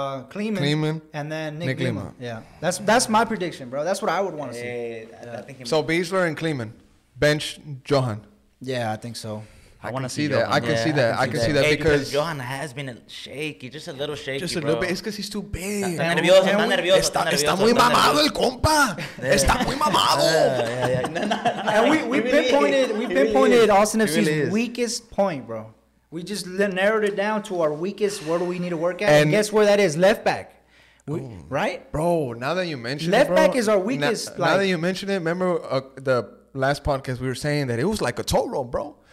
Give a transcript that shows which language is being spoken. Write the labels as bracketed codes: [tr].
[en] Kleeman. And then Nick Lima. Yeah. That's my prediction, bro. That's what I would want to see. Yeah. So Beasler and Kleeman. Bench Johan. Yeah, I think so. I can see that. Because Johan has been shaky, just a little shaky. Just a bro. Little bit. It's because he's too big. [es] Está muy mamado el compa. Está muy mamado. [en] And we pinpointed Austin FC's weakest point, bro. We just narrowed it down to our weakest. Where do we need to work at? And guess where that is? Left back. Right? Bro, now that you mention left it, left back is our weakest. Now that you mention it, remember the last podcast we were saying that it was like a toll road, bro.